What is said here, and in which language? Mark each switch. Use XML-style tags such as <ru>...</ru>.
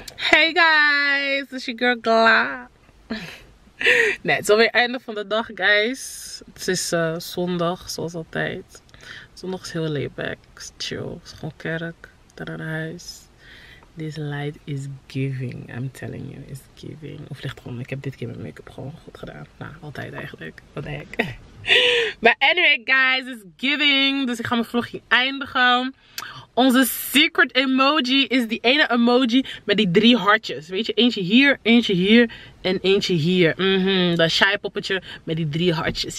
<en>Hey guys, it's your girl Gla.</en> <nl>Nee, het is alweer einde van de dag, guys. Het is zondag, zoals altijd. Zondag is heel laid back, chill. Het is gewoon kerk, daar naar huis.</nl> <en>This light is giving, I'm telling you, it's giving.</en> <nl>Of ligt gewoon, ik heb dit keer mijn make-up gewoon goed gedaan. Nou, altijd eigenlijk. Wat de heck. Maar</nl> <en>anyway, guys, it's giving.</en> <nl>Dus ik ga mijn vlogje eindigen. Onze secret emoji is die ene emoji met die drie hartjes. Weet je, eentje hier, eentje hier en eentje hier. Dat shy poppetje met die drie hartjes.</nl>